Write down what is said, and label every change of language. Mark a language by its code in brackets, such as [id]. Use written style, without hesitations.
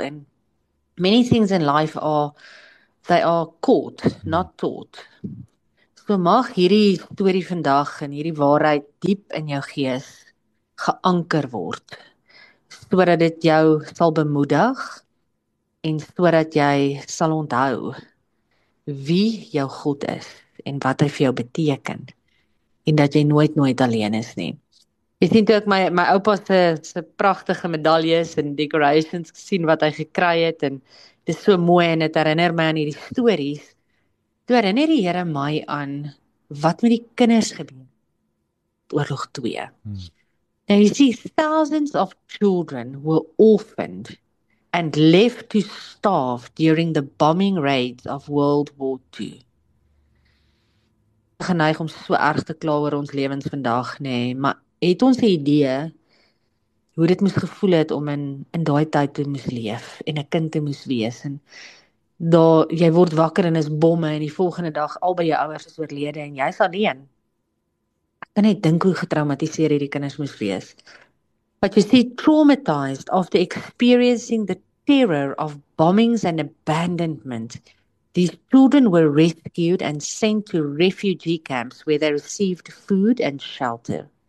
[en] En many things in life are caught, not taught. [af] So mag hierdie storie vandag en hierdie waarheid diep in jou gees geanker word, sodat dit jou sal bemoedig en sodat jy sal onthou wie jou God is en wat hy vir jou beteken en dat jy nooit, nooit alleen is nie. Jy sien toe ek my oupa se pragtige medaljes en decorations gesien wat hy gekry het en dit is so mooi en het herinner my aan hierdie stories. Toe herinner die Here my aan wat met die kinders gebeur oorlog 2. [en] Now you see, thousands of children were orphaned and left to starve during the bombing raids of World War II. [af] Geneig om so erg te kla oor ons lewens vandag, nee, maar het ons 'n idee hoe dit moes gevoel het om in daai tyd te moes leef en 'n kind te moes wees en daar jy word wakker en is bomme en die volgende dag al by jou ouers is oorlede en jy's alleen. Ek kan net dink hoe getraumatiseer hierdie kinders moes wees. [en] But you see, traumatized after experiencing the terror of bombings and abandonment, these children were rescued and sent to refugee camps where they received food and shelter.